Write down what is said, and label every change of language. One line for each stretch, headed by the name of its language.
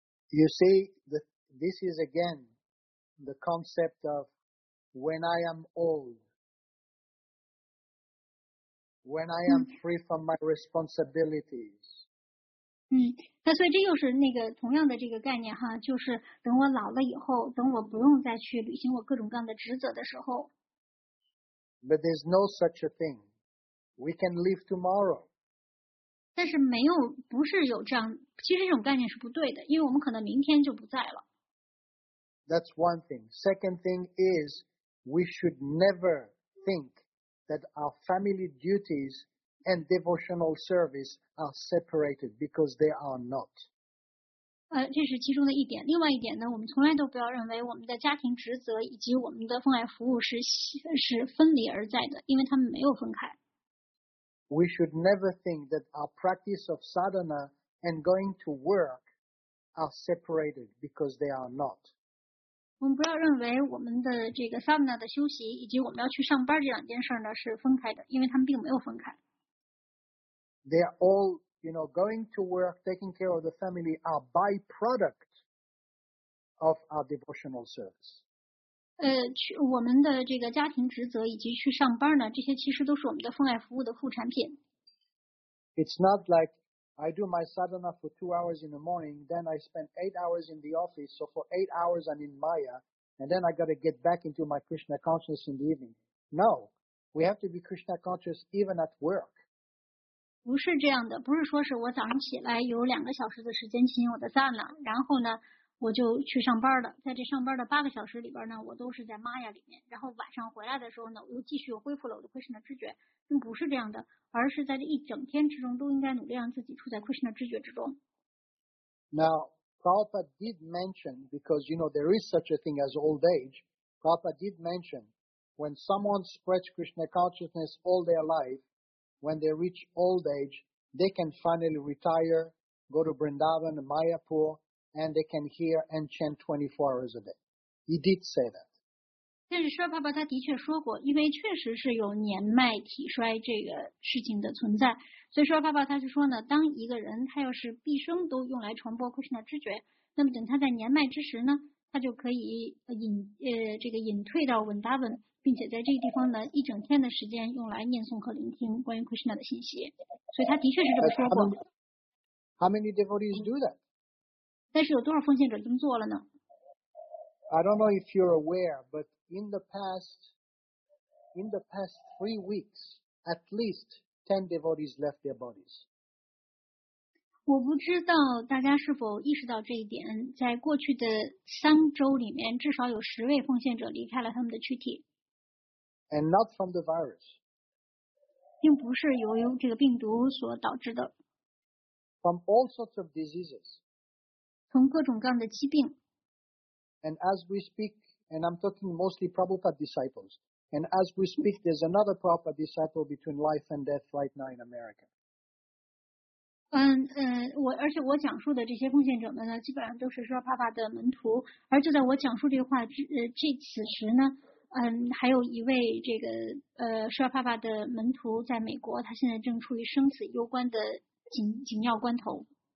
English: You see, this is again the concept of when I am old, when I am free from my responsibilities.
Chinese: 那所以这又是那个同样的这个概念哈，就是等我老了以后，等我不用再去履行我各种各样的职责的时候。
English: But there's no such a thing. We can leave tomorrow.
Chinese: 但是没有，不是有这样，其实这种概念是不对的，因为我们可能明天就不在了。
English: That's one thing. Second thing is we should never think that our family duties and devotional service are separated, because they are not.
Chinese: 这是其中的一点。另外一点呢，我们从来都不要认为我们的家庭职责以及我们的奉爱服务是分离而在的，因为他们没有分开。
English: We should never think that our practice of sadhana and going to work are separated, because they are not.
Chinese: 我们不要认为我们的这个 sadhana 的休息以及我们要去上班这两件事呢是分开的，因为他们并没有分开。
English: They are all, you know, going to work, taking care of the family are byproduct of our devotional service.
Chinese: 我们的这个家庭职责以及去上班呢，这些其实都是我们的奉爱服务的副产品。
English: It's not like I do my sadhana for 2 hours in the morning, then I spend 8 hours in the office, so for 8 hours I'm in Maya, and then I got to get back into my Krishna consciousness in the evening. No, we have to be Krishna conscious even at work.
Chinese: 不是这样的，不是说是我早上起来有两个小时的时间进行我的赞了，然后呢我就去上班了，在这上班的八个小时里边呢，我都是在玛雅里面，然后晚上回来的时候呢，我又继续恢复了我的 Krishna 知觉，并不是这样的，而是在这一整天之中都应该努力让自己处在 Krishna 知觉之中。
English: Now Prabhupada did mention, because you know there is such a thing as old age, Prabhupada did mention when someone spreads Krishna consciousness all their lifeWhen they reach old age, they can finally retire, go to Vrindavan, Mayapur, and they can hear and chant 24 hours a day. He did say that.
Chinese: 但是舍爸爸他的确说过，因为确实是有年迈体衰这个事情的存在，所以舍爸爸他就说呢，当一个人他要是毕生都用来传播 Krishna 知觉，那么等他在年迈之时呢，他就可以隐退到 Vrindavan。并且在这个地方呢，一整天的时间用来念诵和聆听关于 Krishna 的信息，所以他的确是这么说过。
English: How many devotees do that?
Chinese: 但是有多少奉献者这么做了呢？
English: I don't know if you're aware, but in the past 3 weeks, at least 10 devotees left their bodies.
Chinese: 我不知道大家是否意识到这一点，在过去的三周里面，至少有十位奉献者离开了他们的躯体。
English: And not from the virus.
Chinese: 并不是由于这个病毒所导致的。
English: From all sorts of diseases.
Chinese: 从各种各样的疾病。
English: And as we speak, and I'm talking mostly Prabhupada disciples, and as we speak, there's another Prabhupada disciple between life and death right now in America.
Chinese: 而且我讲述的这些奉献者们呢，基本上都是说帕帕的门徒，而就在我讲述这个话之此时呢，还有一位这个舍爸爸的门徒在美国，他现在正处于生死攸关的紧要关头。